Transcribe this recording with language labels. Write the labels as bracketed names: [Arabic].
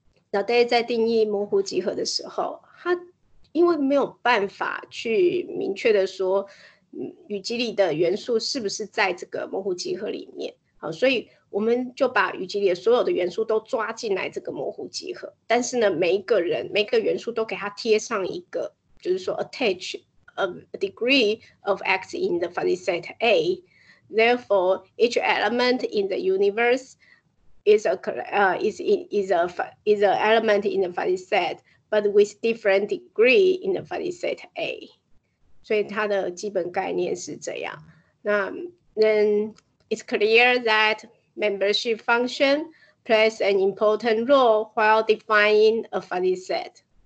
[Chinese] 那大家在定义模糊集合的时候，它因为没有办法去明确的说语集里的元素是不是在这个模糊集合里面，好，所以我们就把语集里的所有的元素都抓进来这个模糊集合，但是呢，每一个人每个元素都给它贴上一个，就是说 [English] attach a degree of X in the fuzzy set A. Therefore, each element in the universe is a element in the fuzzy set, but with different degree in the fuzzy set A. [Chinese] 所以它的基本概念是这样。 [English] 那 then it's clear that membership function plays an important role while defining a fuzzy set.